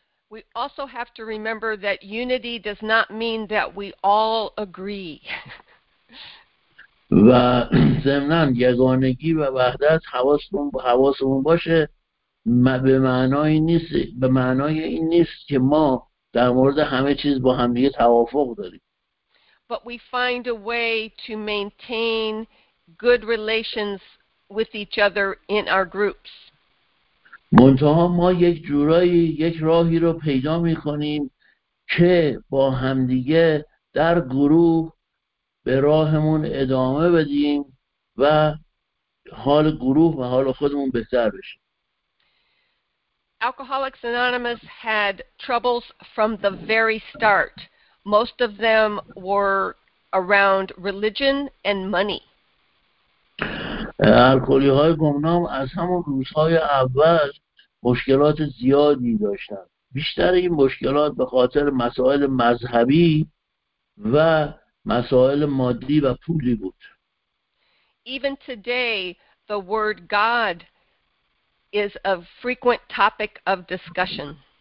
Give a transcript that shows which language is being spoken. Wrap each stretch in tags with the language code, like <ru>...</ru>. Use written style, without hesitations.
<en>We also have to remember that unity does not mean that we all agree.</en> <fa>و ضمناً یگانگی و وحدت، حواسمون باشه، به معنای این نیست که ما در مورد همه چیز با هم دیگه توافق داریم.</fa> <en>But we find a way to maintain good relations with each other in our groups.</en> <fa>منتها ما یک جورایی یک راهی رو پیدا می‌کنیم که با همدیگه در گروه به راهمون ادامه بدیم و حال گروه و حال خودمون بهتر بشه.</fa> <en>Alcoholics Anonymous had troubles from the very start. Most of them were around religion and money.</en> <fa>الکلی‌های گمنام از همون روزهای اول مشکلات زیادی داشتند. بیشتر این مشکلات به خاطر مسائل مذهبی و مسائل مادی و پولی بود.</fa> <en>Even today, the word God is a frequent topic of discussion.</en>